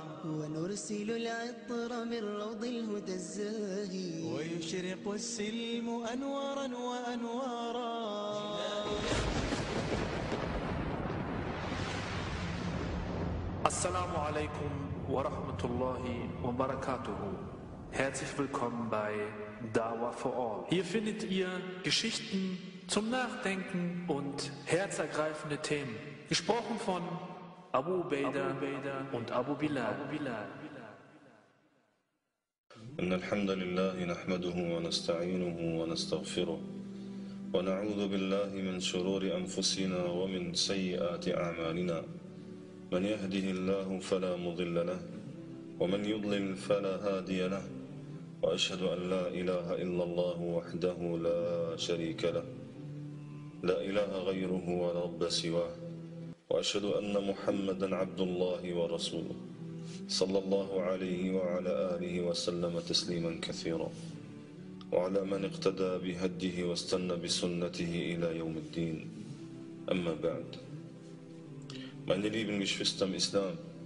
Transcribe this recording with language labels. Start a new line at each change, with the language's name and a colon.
Arabic: ونرسل العطر من روض الهدى الزاهي ويشرق السلم أنوارا وأنوارا السلام عليكم ورحمة الله وبركاته.
German: Herzlich willkommen bei Dawa for All. Hier findet ihr Geschichten zum Nachdenken und herzergreifende Themen. Gesprochen von Abu Ubaidah und Abu Bilal.
Arabic: إن الحمد لله نحمده ونستعينه ونستغفره ونعوذ بالله من شرور أنفسنا ومن سيئات أعمالنا. من يهده الله فلا مضل له ومن يضلل فلا هادي له. وأشهد أن لا إله إلا الله وحده لا شريك له لا إله غيره ولا رب سواه وأشهد أن محمدا عبد الله ورسوله صلى الله عليه وعلى آله وسلم تسليما كثيرا وعلى من اقتدى بهديه واستنى بسنته إلى يوم الدين أما بعد
German: Meine lieben Geschwister im Islam,